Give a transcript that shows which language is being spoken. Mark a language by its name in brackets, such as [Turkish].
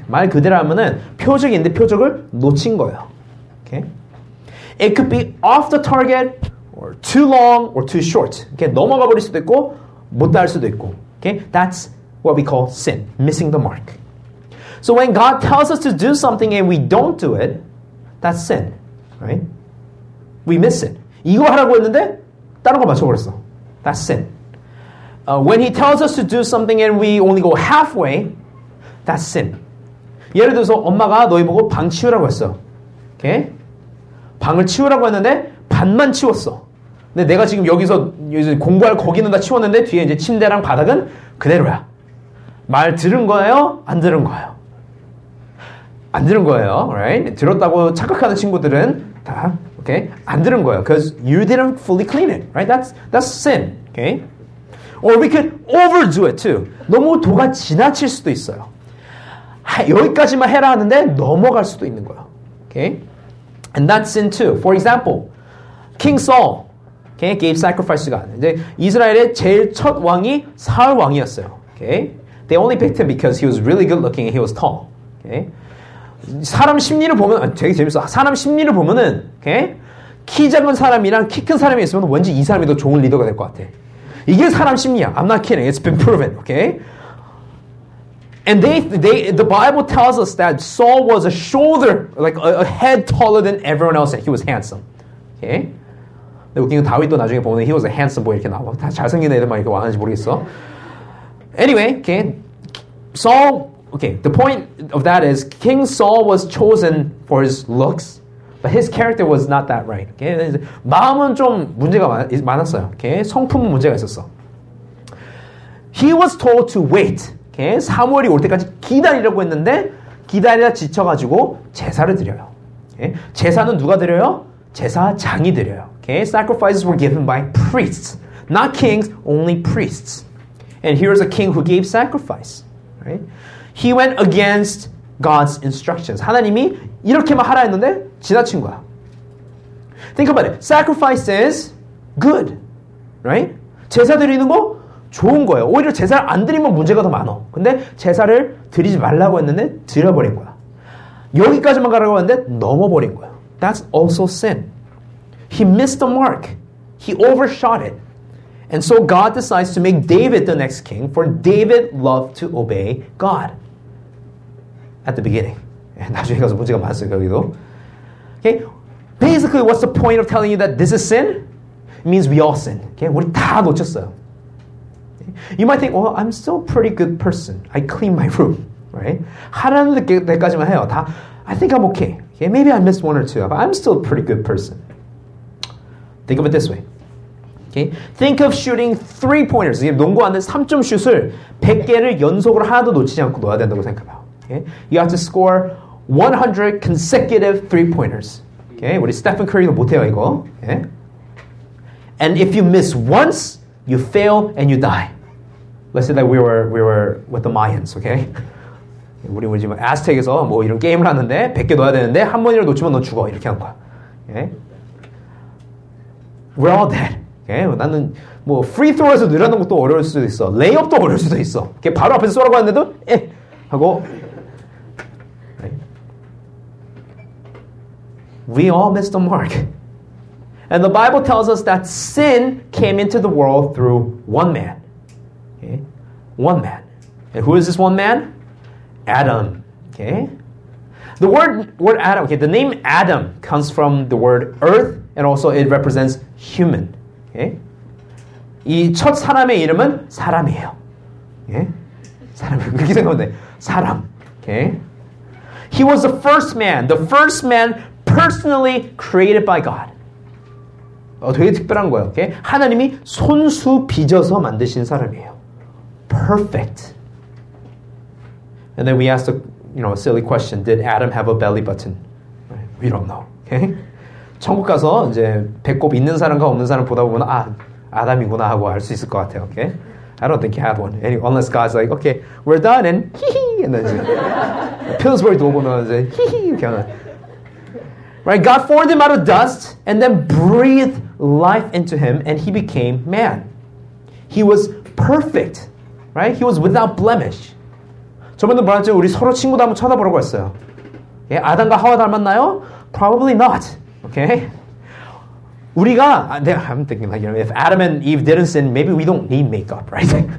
[Korean] 말 그대로 하면은 표적인데 표적을 놓친 거예요. [English] Okay. It could be off the target, or too long, or too short. Okay. [Korean] 넘어가 버릴 수도 있고 못 닿을 수도 있고. [English] Okay. That's what we call sin, missing the mark. So when God tells us to do something and we don't do it, that's sin, right? We miss it. [Korean] 이거 하라고 했는데 다른 거 맞춰버렸어. [English] That's sin. When he tells us to do something and we only go halfway, that's sin. [Korean] 예를 들어서 엄마가 너희 보고 방 치우라고 했어. [English] Okay? [Korean] 방을 치우라고 했는데 반만 치웠어. 근데 내가 지금 여기서 공부할 거기는 다 치웠는데 뒤에 이제 침대랑 바닥은 그대로야. 말 들은 거예요? 안 들은 거예요? 안 들은 거예요, right? 들었다고 착각하는 친구들은 다, okay? 안 들은 거예요. [English] Because you didn't fully clean it, right? That's sin, okay? Or we could overdo it too. [Korean] 너무 도가 지나칠 수도 있어요. 여기까지만 해라 하는데 넘어갈 수도 있는 거예요, okay? [English] And that's sin too. For example, King Saul, okay? Gave sacrifice to God. [Korean] 이제 이스라엘의 제일 첫 왕이 사울 왕이었어요, okay? [English] They only picked him because he was really good looking and he was tall, okay? [Korean] 사람 심리를 보면 되게 재밌어. 사람 심리를 보면은, okay? 키 작은 사람이랑 키 큰 사람이 있으면 왠지 이 사람이 더 좋은 리더가 될 것 같아. 이게 사람 심리야. [English] I'm not kidding. It's been proven. Okay? And the Bible tells us that Saul was a shoulder, like a head taller than everyone else, and he was handsome. [Korean] Okay? 근데 웃긴 건 다윗도 나중에 보면 [English] he was a handsome boy [Korean] 이렇게 나와. 다 잘생긴 애들만 이렇게 왔는지 모르겠어. [English] Anyway, okay. Saul, okay, the point of that is King Saul was chosen for his looks, but his character was not that right. Okay? [Korean] 마음은 좀 문제가 많았어요. [English] Okay? [Korean] 성품은 문제가 있었어. [English] He was told to wait. Okay? [Korean] 사무엘이 올 때까지 기다리라고 했는데 기다리다 지쳐가지고 제사를 드려요. Okay? 제사는 누가 드려요? 제사장이 드려요. Okay? [English] Sacrifices were given by priests. Not kings, only priests. And here's a king who gave sacrifice. Right? He went against God's instructions. [Korean] 하나님이 이렇게만 하라 했는데 지나친 거야. [English] Think about it. Sacrifice is good. Right? [Korean] 제사 드리는 거 좋은 거예요. 오히려 제사를 안 드리면 문제가 더 많아. 근데 제사를 드리지 말라고 했는데 드려버린 거야. 여기까지만 가라고 했는데 넘어버린 거야. [English] That's also sin. He missed the mark. He overshot it. And so God decides to make David the next king, for David loved to obey God. At the beginning. [Korean] 나중에 가서 문제가 많았어요, 여기도. [English] Okay? Basically, what's the point of telling you that this is sin? It means we all sin. Okay? [Korean] 우리 다 놓쳤어요. [English] You might think, well, I'm still a pretty good person. I clean my room, right? [Korean] 하라는 데까지만 해요. [English] 다, I think I'm okay. Okay. Maybe I missed one or two, but I'm still a pretty good person. Think of it this way. Okay. Think of shooting three-pointers. [Korean] 농구하는 3점 슛을 100개를 연속으로 하나도 놓치지 않고 넣어야 된다고 생각해요. [English] Okay. You have to score 100 consecutive three-pointers. Okay. [Korean] 우리 스테픈 커리도 못해요, 이거. [English] Okay. And if you miss once, you fail and you die. Let's say that we were with the Mayans, okay? [Korean] 우리 뭐지 뭐 아스텍에서 뭐 이런 게임을 하는데 100개 넣어야 되는데 한 번이라도 놓치면 너 죽어 이렇게 하는 거야. [English] Okay? We're all dead. Okay? [Korean] 나는 뭐 free throw에서 늘어나는 것도 어려울 수도 있어. 레이업도 어려울 수도 있어. 이렇게 바로 앞에서 쏘라고 하는데도 에 하고 right? [English] We all missed the mark. And the Bible tells us that sin came into the world through one man. Okay? One man. And who is this one man? Adam. Okay? The word Adam, okay, the name Adam comes from the word earth, and also it represents human. [Korean] Okay? 이 첫 사람의 이름은 사람이에요. Okay? 사람, 그렇게 생각하면 돼. 사람. Okay? [English] He was the first man personally created by God. [Korean] 되게 특별한 거예요. Okay? 하나님이 손수 빚어서 만드신 사람이에요. [English] Perfect. And then we ask the, you know, a silly question. Did Adam have a belly button? We don't know. Okay? [Korean] 천국 가서 이제 배꼽 있는 사람과 없는 사람 보다 보면 아, 아담이구나 하고 알 수 있을 것 같아요. [English] Okay? I don't think he had one. Any, unless God's like, okay, we're done and hee-hee. And then he's like, Pillsbury [Korean] 도 보면 이제 [English] hee-hee. Right, God formed him out of dust and then breathed life into him and he became man. He was perfect. Right? He was without blemish. [Korean] 저번에 말했죠. 우리 서로 친구도 한번 쳐다보라고 했어요. 예, 아담과 하와 닮았나요? [English] Probably not. Okay? [Korean] 우리가 [English] I'm thinking like, you know, if Adam and Eve didn't sin, maybe we don't need makeup, right?